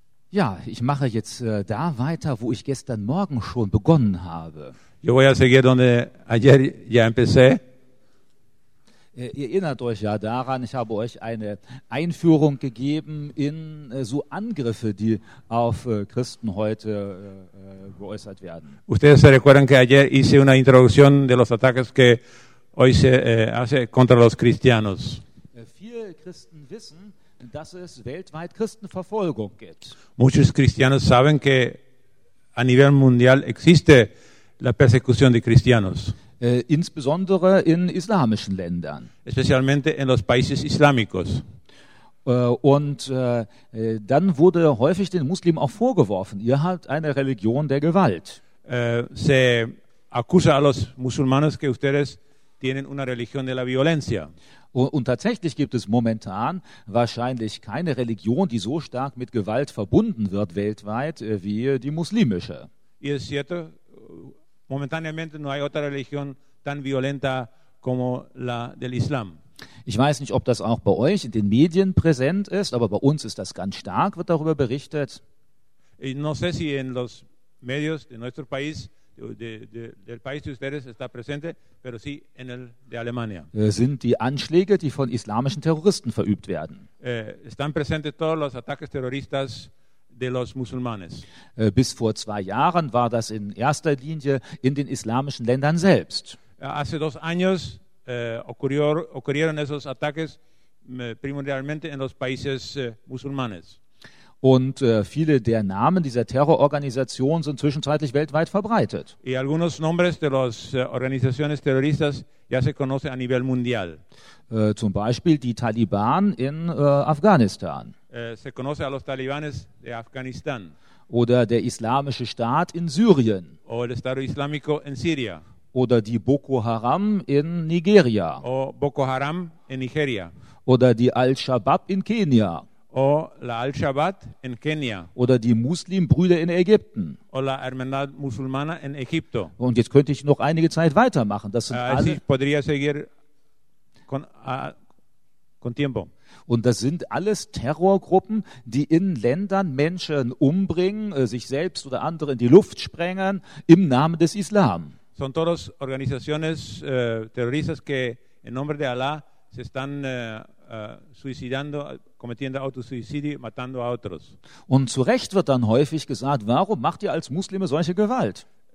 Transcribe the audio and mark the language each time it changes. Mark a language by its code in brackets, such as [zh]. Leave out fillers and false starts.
[de] Ja, ich mache jetzt da weiter, wo ich gestern Morgen schon begonnen habe. [es] Yo voy a seguir donde ayer ya empecé. [de] Ihr erinnert euch ja daran, ich habe euch eine Einführung gegeben in so Angriffe, die auf Christen heute geäußert werden. [es] Ustedes se recuerdan que ayer hice una introducción de los ataques que hoy se hace contra los cristianos. [de] Viele Christen wissen, dass es weltweit Christenverfolgung gibt. [es] Muchos cristianos saben que a nivel mundial existe la persecución de cristianos. [de] Insbesondere in islamischen Ländern. [es] Especialmente en los países islámicos. [de] Dann wurde häufig den Muslimen auch vorgeworfen, ihr habt eine Religion der Gewalt. [es] Se acusa a los musulmanes que ustedes tienen una religión de la violencia. [de] Und tatsächlich gibt es momentan wahrscheinlich keine Religion, die so stark mit Gewalt verbunden wird weltweit wie die muslimische. Es ist wahr, [es] momentaneamente no hay otra religión tan violenta como la del Islam. [de] Ich weiß nicht, ob das auch bei euch in den Medien präsent ist, aber bei uns ist das ganz stark, wird darüber berichtet. [es] Ich no sé si en los medios de nuestro país del país de ustedes está presente, pero sí en el de Alemania. [de] Sind die Anschläge, die von islamischen Terroristen verübt werden. [es] Están presentes todos los ataques terroristas de los musulmanes. [de] Bis vor 2 Jahren war das in erster Linie in den islamischen Ländern selbst. [es] Hace 2 años ocurrieron esos ataques primordialmente en los países musulmanes. [de] Und viele der Namen dieser Terrororganisationen sind zwischenzeitlich weltweit verbreitet. [es] Y algunos nombres de las organizaciones terroristas ya se conocen a nivel mundial. [de] Zum Beispiel die Taliban in Afghanistan. [es] Se conoce a los talibanes de Afganistán. [de] Oder der Islamische Staat in Syrien. [es] O el Estado Islámico en Siria. [de] Oder die Boko Haram in Nigeria. [es] O Boko Haram en Nigeria. [de] Oder die Al-Shabaab in Kenia. [es] O la Al-Shabaab en Kenia. [de] Oder die Muslimbrüder in Ägypten. [es] O la Hermandad Musulmana en Egipto. [de] Und jetzt könnte ich noch einige Zeit weitermachen. Das sind alle. [es] Ich podría seguir con tiempo. [de] Und das sind alles Terrorgruppen, die in Ländern Menschen umbringen, sich selbst oder andere in die Luft sprengen, im Namen des Islam. [es] Son todos organizaciones terroristas que en nombre de Allah se están suicidando, cometiendo autosuicidio, matando a otros. [de] Und zu Recht wird dann häufig gesagt, warum macht ihr als Muslime solche Gewalt?